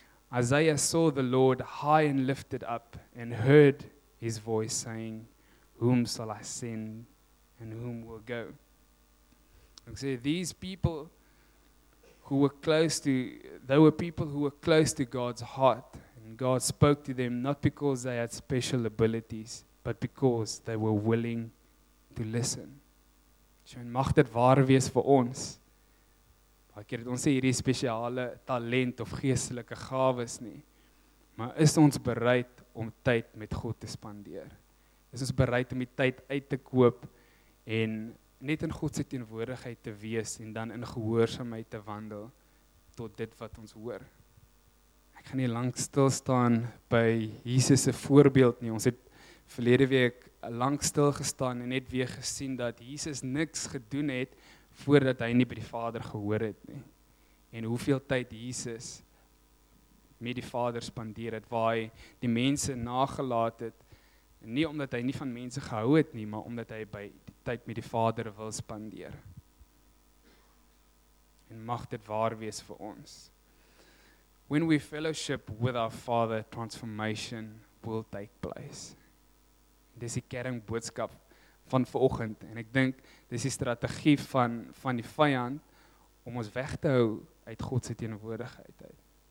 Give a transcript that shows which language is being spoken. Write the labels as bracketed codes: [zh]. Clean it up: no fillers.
[en] Isaiah saw the Lord high and lifted up and heard his voice saying, whom shall I send and whom will go? [af] Ek sê, [en] these people who were close to, they were people who were close to God's heart, and God spoke to them not because they had special abilities, but because they were willing to listen. [af] So, en mag dit waar wees vir ons? Baie keer het ons sê hierdie spesiale talent of geestelike gawes nie, maar is ons bereid om tyd met God te spandeer? Is ons bereid om die tyd uit te koop en net in God se teenwoordigheid te wees en dan in gehoorsaamheid te wandel tot dit wat ons hoor. Ek gaan nie lank stil staan by Jesus se voorbeeld nie. Ons het verlede week lank stil gestaan en net weer gesien dat Jesus niks gedoen het voordat hy nie by die Vader gehoor het nie. En hoeveel tyd Jesus met die Vader spandeer het, waar hy die mense nagelaat het, nie omdat hy nie van mense gehou het nie, maar omdat hy by die tyd met die Vader wil spandeer. En mag dit waar wees vir ons. [en] When we fellowship with our Father, transformation will take place. [af] Dis die kernboodskap van vanoggend, en ek dink dis die strategie van die vyand om ons weg te hou uit God se teenwoordigheid uit.